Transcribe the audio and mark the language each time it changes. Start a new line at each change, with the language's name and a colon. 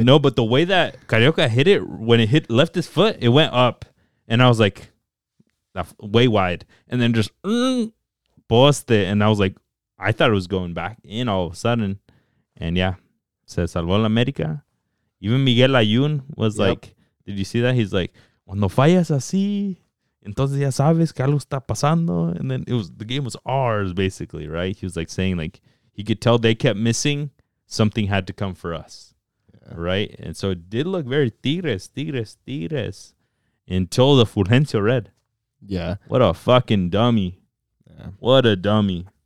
English: No, but the way that Carioca hit it, when it hit left his foot, it went up. And I was like, way wide. And then just, bust it. And I was like, I thought it was going back in all of a sudden. And yeah,
Spanish: se salvó la América.
English: Even Miguel Ayun was like, did you see that? He's like,
Spanish: cuando fallas así, entonces ya sabes que algo está pasando.
English: And then the game was ours, basically, right? He was like saying, like, he could tell they kept missing. Something had to come for us, yeah. Right? And so it did look very Tigres, until the Fulgencio red. Yeah. What a fucking dummy. Yeah. What a dummy.